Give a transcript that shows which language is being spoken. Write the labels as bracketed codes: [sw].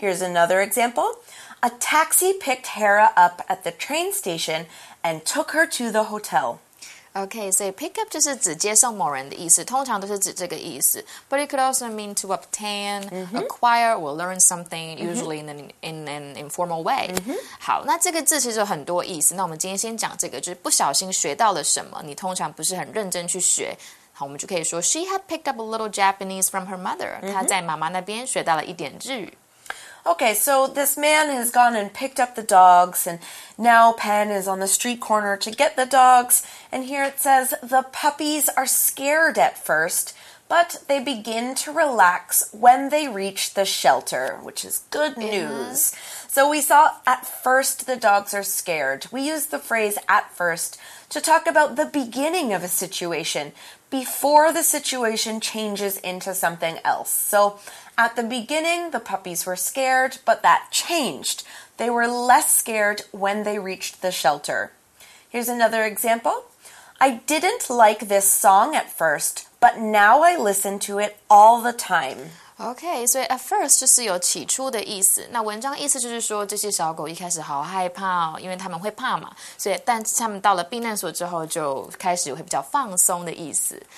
[en] Here's another example. A taxi picked Hera up at the train station and took her to the hotel. Okay, so [zh] pick up 就是指接送某人的意思，通常都是指这个意思。 [en] But it could also mean to obtain, acquire, or learn something, usually in an informal way. Mm-hmm. [zh] 好，那这个字其实有很多意思。那我们今天先讲这个，就是不小心学到了什么，你通常不是很认真去学。我们就可以说 [en] She had picked up a little Japanese from her mother. [zh] 她在妈妈那边学到了一点日语。 [en] Okay, so this man has gone and picked up the dogs, and now Penn is on the street corner to get the dogs. And here it says, the puppies are scared at first, but they begin to relax when they reach the shelter, which is good news. So we saw, at first, the dogs are scared. We use the phrase, at first, to talk about the beginning of a situation, before the situation changes into something else. So... At the beginning, the puppies were scared, but that changed. They were less scared when they reached the shelter. Here's another example. I didn't like this song at first, but now I listen to it all the time. Okay, so [zh] at first 就是有起初的意思。那文章意思就是说，这些小狗一开始好害怕，因为他们会怕嘛。所以，但他们到了避难所之后，就开始会比较放松的意思。